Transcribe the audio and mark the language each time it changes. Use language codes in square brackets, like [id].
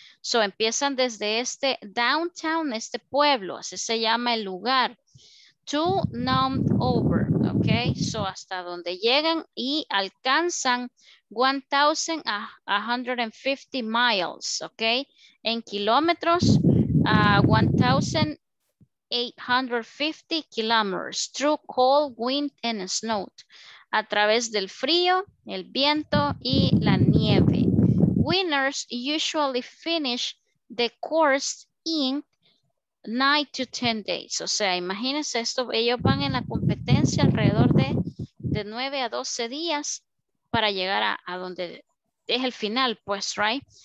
[es] So, empiezan desde este downtown, este pueblo, así se llama el lugar, to Nome over, ok, so hasta donde llegan y alcanzan 1,150 miles, ok, en kilómetros, 1,850 kilometers, [en] through cold, wind and snow, [es] a través del frío, el viento y la nieve. [en] Winners usually finish the course in 9 to 10 days. [es] O sea, imagínense esto, ellos van en la competencia alrededor de 9 a 12 días para llegar a donde es el final, pues, right?